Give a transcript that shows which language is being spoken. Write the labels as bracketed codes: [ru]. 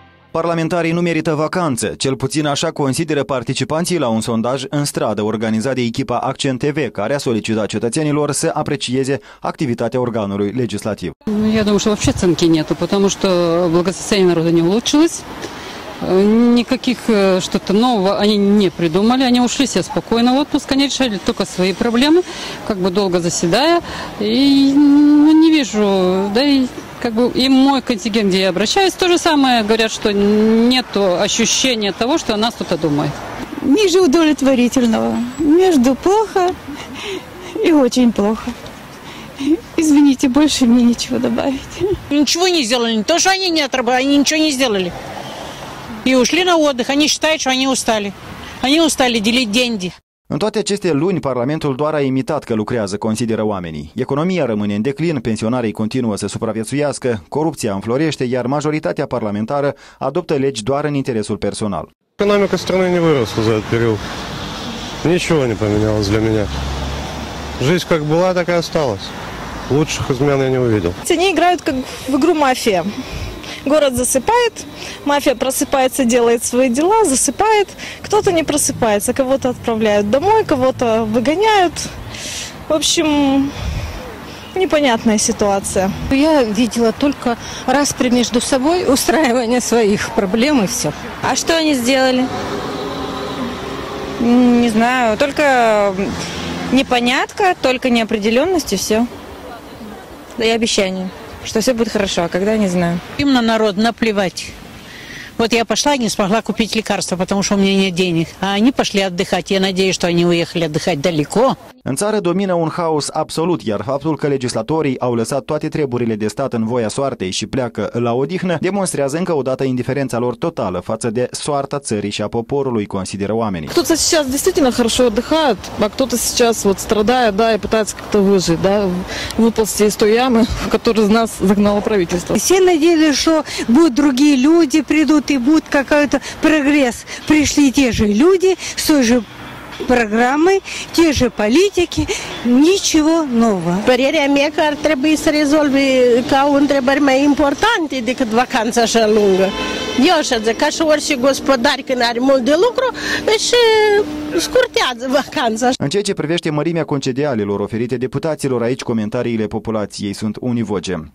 [ro] Parlamentarii nu merită vacanță, cel puțin așa consideră participanții la un sondaj în stradă organizat de echipa Accent TV, care a solicitat cetățenilor să aprecieze activitatea organului legislativ. Eu [ru] думаю, что вообще оценки нету, потому что благосостояние народа не улучшилось. Никаких что-то нового они не придумали, они ушли все спокойно в отпуск, они решали только свои проблемы, как бы долго заседая, и не вижу, да и как бы и мой контингент, где я обращаюсь, то же самое говорят, что нет ощущения того, что о нас кто-то думает. Ниже удовлетворительного. Между плохо и очень плохо. Извините, больше мне нечего добавить. Ничего не сделали. Не то, что они не отработали, они ничего не сделали. И ушли на отдых. Они считают, что они устали. Они устали делить деньги. [ro] În toate aceste luni, Parlamentul doar a imitat că lucrează, consideră oamenii. Economia rămâne în declin, pensionarii continuă să supraviețuiască, corupția înflorește, iar majoritatea parlamentară adoptă legi doar în interesul personal. Economia țării nu a crescut în acest perioadă. Nici nu a schimbat pentru mine. Viața cum a fost, așa a rămas. Lucrurile schimbări nu am văzut. Ei joacă ca în jocul mafiei. [ru] Город засыпает, мафия просыпается, делает свои дела, засыпает. Кто-то не просыпается, кого-то отправляют домой, кого-то выгоняют. В общем, непонятная ситуация. Я видела только распри между собой, устраивание своих проблем и все. А что они сделали? Не знаю, только непонятка, только неопределенность и все. Да и обещание. Что все будет хорошо, а когда, не знаю. Им на народ наплевать. Вот я пошла и не смогла купить лекарства, потому что у меня нет денег. А они пошли отдыхать. Я надеюсь, что они уехали отдыхать далеко. [ro] În țară domină un haos absolut, iar faptul că legislatorii au lăsat toate treburile de stat în voia soartei și pleacă la odihnă, demonstrează încă o dată indiferența lor totală față de soarta țării și a poporului, consideră oamenii. [ru] Кто-то сейчас действительно хорошо отдыхает, а кто-то сейчас вот страдает, да, и пытается как-то выжить, да, выползти из той ямы, в которую нас загнало правительство. Все надеялись, что будут другие люди, придут и будет какой-то прогресс. Пришли те же люди, с той же [ro] programe, [ru] te же [ro] politici, [ru] ничего нova. [ro] Părerea mea că ar trebui să rezolvi ca o întrebări mai importante decât vacanța așa lungă. Eu așa zic, ca și orice gospodar când are mult de lucru, își scurtează vacanța. În ceea ce privește mărimea concedialelor oferite deputaților, aici comentariile populației sunt univoce.